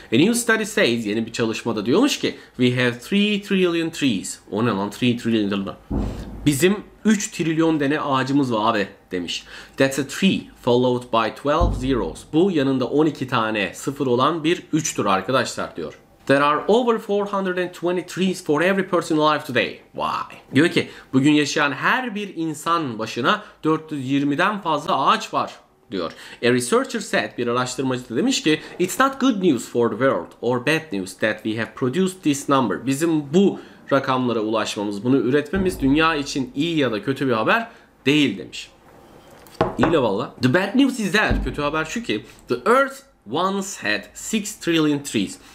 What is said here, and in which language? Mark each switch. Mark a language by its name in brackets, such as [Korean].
[English] A new study says, [Turkish] yeni bir çalışmada diyormuş ki [English] we have 3 trillion trees. [Turkish] O ne lan 3 trillion dolar. Bizim 3 trilyon tane ağacımız var abi demiş. [English] That's a 3 followed by 12 zeros. [Turkish] Bu yanında 12 tane sıfır olan bir 3'tür arkadaşlar diyor. [English] There are over 420 trees for every person alive today. [Turkish] Vay. Diyor ki bugün yaşayan her bir insan başına 420'den fazla ağaç var diyor. [English] A researcher said, [Turkish] bir araştırmacı da demiş ki [English] it's not good news for the world or bad news that we have produced this number. [Turkish] Bizim bu rakamlara ulaşmamız, bunu üretmemiz dünya için iyi ya da kötü bir haber değil demiş. İyi la valla. [English] The bad news is that, [Turkish] kötü haber şu ki [English] the earth once had 6 trillion trees.